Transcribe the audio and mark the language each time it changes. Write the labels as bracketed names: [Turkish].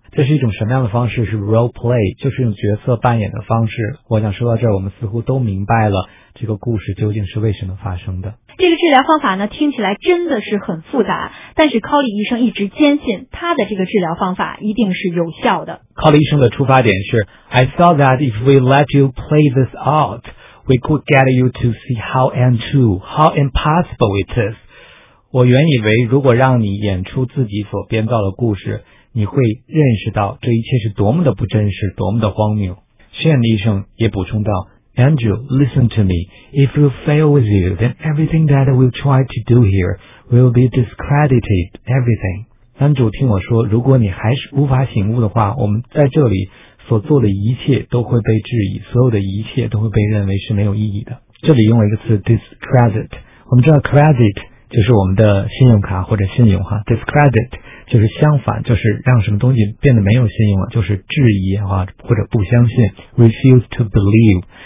[Chinese] 这是一种什么样的方式？是 role play， 就是用角色扮演的方式。我想说到这儿，我们似乎都明白了这个故事究竟是为什么发生的。这个治疗方法呢，听起来真的是很复杂，但是 Colly 医生一直坚信他的这个治疗方法一定是有效的。 Colly 医生的出发点是 [English] I saw that if we let you play this out, we could get you to see how untrue, how impossible it is. [Chinese] 我原以为如果让你演出自己所编造的故事，你会认识到这一切是多么的不真实，多么的荒谬。 Shane 医生也补充道 [English] Andrew, listen to me. If you fail with you, then everything that we'll try to do here will be discredited, everything. [Chinese] Andrew, 听我说，如果你还是无法醒悟的话，我们在这里所做的一切都会被质疑，所有的一切都会被认为是没有意义的。这里用了一个词 discredit， 我们知道 credit 就是我们的信用卡或者信用哈 discredit就是相反，就是让什么东西变得没有信用了，就是质疑啊，或者不相信 [English] refuse to believe。